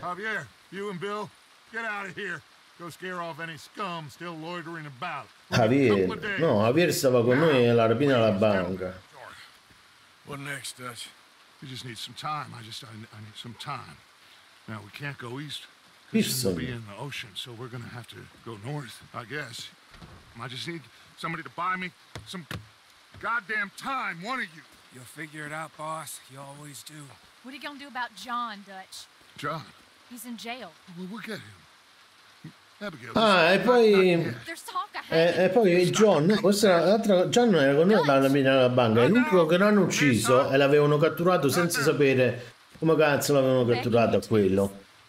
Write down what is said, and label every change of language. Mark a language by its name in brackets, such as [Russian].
[English] Javier, you and Bill, get out of here. Go scare off any scum still loitering about. [Italian] Javier, no, Javier stava con noi e la rapina alla banca. [English] What next, Dutch? We just need some time. I need some time. Now we can't go east. We'll be in the ocean, so we're gonna have to go north, I guess. I just need somebody to buy me some goddamn time, one of you. You'll figure it out, boss. You always do. What are you gonna do about John, Dutch? John? He's in jail. Well, we'll get him. [Italian] Ah, e poi e poi John, questo era l'altro, John non era con noi alla mina della banca, è l'unico che l'hanno ucciso e l'avevano catturato senza sapere come cazzo l'avevano catturato a quello.